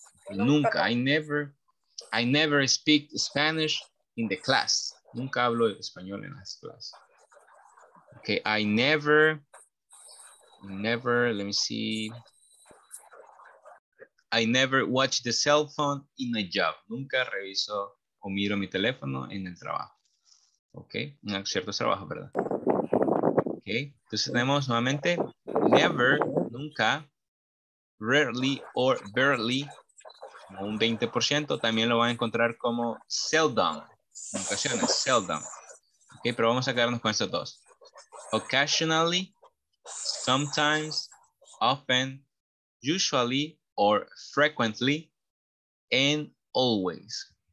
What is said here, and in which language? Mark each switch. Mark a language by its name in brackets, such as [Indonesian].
[English] Nunca, I never speak Spanish in the class. [Spanish] Nunca hablo español en las clases. Okay, I never, let me see. [English] I never watch the cell phone in a job. [Spanish] Nunca reviso o miro mi teléfono en el trabajo. Okay, en ciertos trabajos, ¿verdad? Okay, entonces tenemos nuevamente never, nunca, rarely or barely, un 20%, también lo van a encontrar como seldom, en ocasiones, seldom. Okay, pero vamos a quedarnos con estos dos. [English] Occasionally, sometimes, often, usually, or frequently, and always.